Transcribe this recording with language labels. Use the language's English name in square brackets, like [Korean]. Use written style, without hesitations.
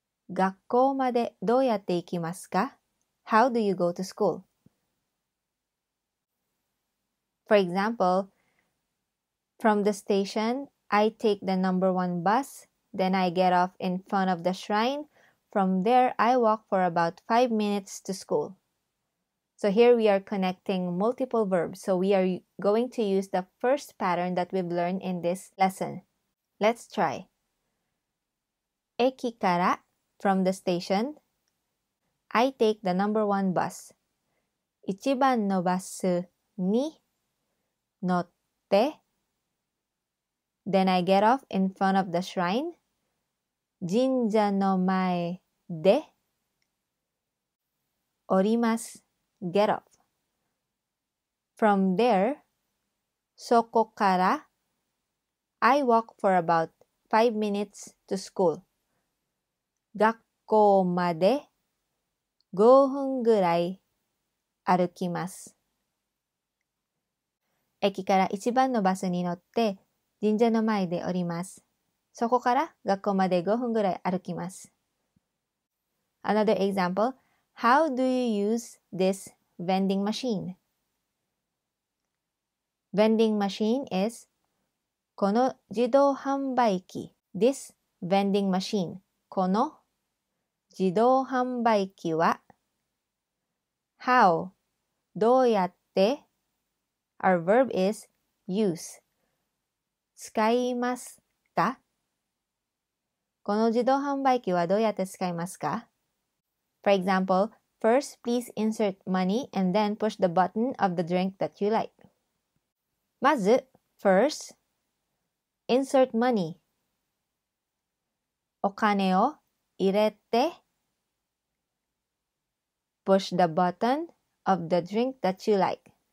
[Japanese] 学校までどうやって行きますか? [English] How do you go to school? For example, from the station, I take the number one bus, then I get off in front of the shrine. From there, I walk for about 5 minutes to school. So here we are connecting multiple verbs. So we are going to use the first pattern that we've learned in this lesson. Let's try. [Japanese] 駅から [English] From the station, I take the number one bus. [Japanese] 一番のバスに乗って [English] Then I get off in front of the shrine. [Japanese] 神社の前で降ります [English] Get off. From there, [Japanese] そこから [English] I walk for about 5 minutes to school. [Japanese] 学校まで5分ぐらい歩きます。駅から一番のバスに乗って神社の前で降ります。そこから学校まで5分ぐらい歩きます。 [English] Another example, how do you use this vending machine? Vending machine is [Japanese] この自動販売機 [English] This vending machine, [Japanese] この自動販売機は [English] How? [Japanese] どうやって [English] Our verb is use. [Japanese] 使いますか? この自動販売機はどうやって使いますか? [English] For example, first please insert money and then push the button of the drink that you like. [Japanese] まず、 [English] first, insert money. [Japanese] お金を入れて [English] Push the button of the drink that you like.